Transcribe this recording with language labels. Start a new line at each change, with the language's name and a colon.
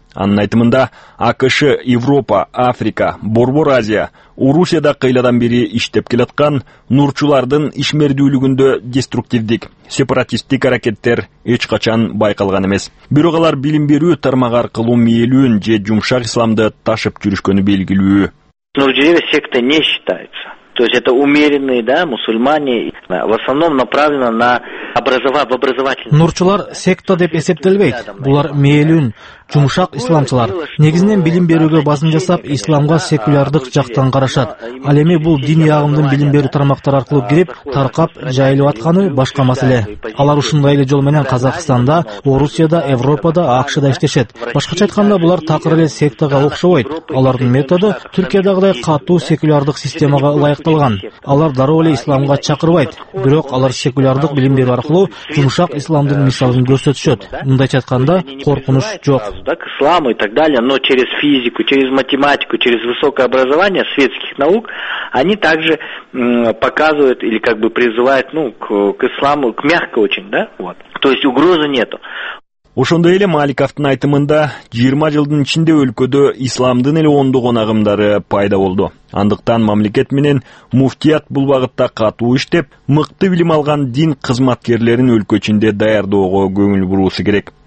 Kyrgyz: Анын айтымында АКШ, Европа, Африка, Борбор Азия, Орусияда кыйладан бери иштеп келаткан нурчулардын ишмердүүлүгүндө деструктивдик, сепаратисттик аракеттер эч качан байкалган эмес. Бирок алар билим берүү тармагы аркылуу мээлүүн же жумшак исламды ташып жүрүшкөнү белгилүү.
Russian: Нурчулар секта не считается? То есть это умеренные, да, мусульмане, в основном направлено на образовательный.
Kyrgyz: Нурчулар секта деп эсептелбейт. Булар мээлүүн, жумшак исламчылар. Негизинен билим берүүгө басым жасап, исламга секулярдык жактан карашат. Ал эми бул диний агымдын билим берүү тармактары аркылуу кирип, таркап, жайылып атканы башка маселе. Алар ушундай эле жол менен Казакстанда, Орусияда, Европада, АКШда иштешет. Башкача айтканда, булар такыр эле сектага окшобойт. Алардын методу Түркиядагыдай катуу секулярдык системага ылайыкталган. Алар дароо эле исламга чакырбайт, бирок алар секулярдык билим берүү аркылуу жумшак исламдын мисалын көрсөтүшөт. Мындайча айтканда, коркунуч жок.
Russian: Да, к исламу и так далее, но через физику, через математику, через высокое образование светских наук, они также показывают или как бы призывают, ну, к исламу, к мягко очень, да, вот. То есть угрозы нету.
Kyrgyz: Ошондой эле Маликовдун айтымында 20 жылдын ичинде өлкөдө исламдын эле ондогон агымдары пайда болду. Андыктан мамлекет менен муфтият бул багытта катуу иштеп, мыкты билим алган дин кызматкерлерин өлкө ичинде даярдоого көңүл буруусу керек.